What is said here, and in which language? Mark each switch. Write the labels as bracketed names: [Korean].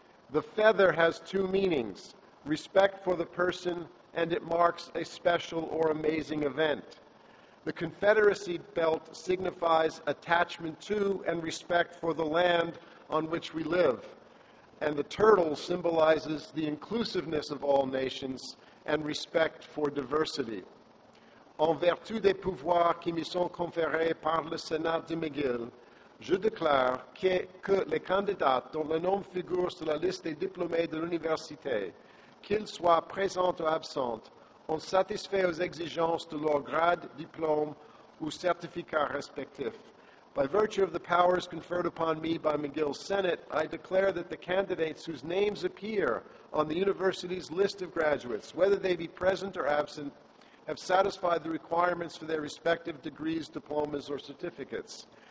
[English] The feather has two meanings: respect for the person, and it marks a special or amazing event. The Confederacy belt signifies attachment to and respect for the land on which we live. And the turtle symbolizes the inclusiveness of all nations and respect for diversity. [French] En vertu des pouvoirs qui me sont conférés par le Sénat de McGill, je déclare que les candidats dont le nom figure sur la liste des diplômés de l'université, qu'ils soient présents ou absents, ont satisfait aux exigences de leur grade, diplôme ou certificat respectif. [English] By virtue of the powers conferred upon me by McGill's Senate, I declare that the candidates whose names appear on the university's list of graduates, whether they be present or absent, have satisfied the requirements for their respective degrees, diplomas, or certificates.